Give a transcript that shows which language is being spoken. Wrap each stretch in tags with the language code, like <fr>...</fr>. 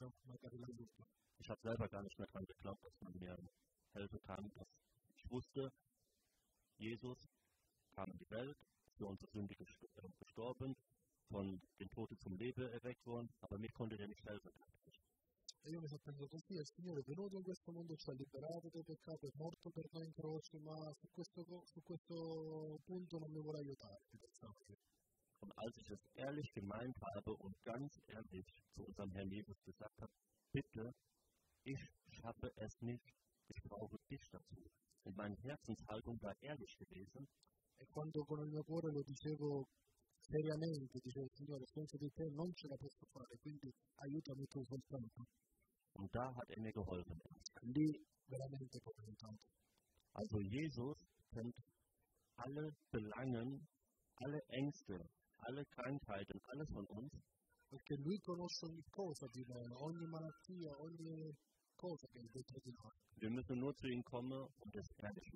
<de>Ich habe selber gar nicht mehr daran geglaubt, dass man mir helfen kann. Ich wusste, Jesus kam in die Welt, für unsere Sünde gestorben, von dem Tod zum Leben erweckt worden, aber mir konnte er nicht helfen.</de> <it>E io mi sono pensato così, il Signore è venuto in questo mondo, ci ha liberato dai peccati, è morto per noi in croce, ma su questo punto non mi vorrei aiutare.</it> <de>Und als ich es ehrlich gemeint habe und ganz ehrlich zu unserem Herrn Jesus gesagt habe, bitte, ich schaffe es nicht, ich brauche dich dazu. Und meine Herzenshaltung war ehrlich gewesen.</de> <it>E quando con il mio cuore lo dicevo seriamente, dicevo, Signore, senza di te non ce la posso fare, quindi aiutami tu soltanto.</it> <de>Und da hat er mir geholfen. Also Jesus kennt alle Belangen, alle Ängste, alle Krankheiten, alles von uns. Wir müssen nur zu ihm kommen und es ehrlich</de>